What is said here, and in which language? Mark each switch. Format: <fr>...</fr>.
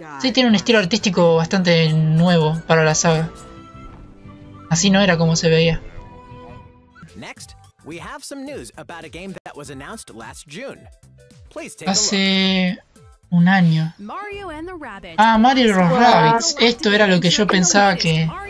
<es>Sí, tiene un estilo artístico bastante nuevo para la saga. Así no era como se veía.</es> <en>Next. We have some news about a game that was announced last June. Please take a look.</en> <es>Hace un año.</es> <en>Mario and the Rabbids.</en> <es>Ah, Mario y los Rabbids. Esto era lo que yo pensaba que.</es>